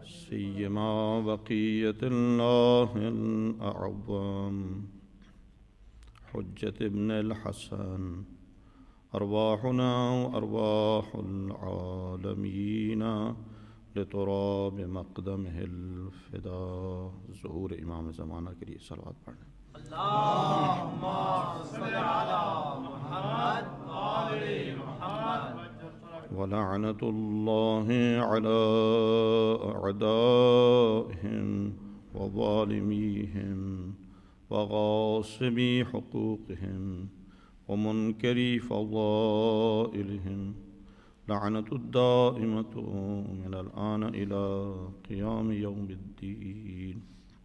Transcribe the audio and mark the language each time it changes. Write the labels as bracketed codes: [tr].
[ar] سيما بقية الله الأعظم حجة ابن الحسن أرواحنا وأرواح العالمين لتراب مقدمه الفدا. [ur] ظهور امام زمانہ کے لیے صلوات پڑھیں. [ar] اللهم صل على محمد وآل محمد. ولعنة الله على أعدائهم وظالميهم وغاصبي حقوقهم ومنكري فضائلهم، لعنة الدائمة من الآن إلى قيام يوم الدين.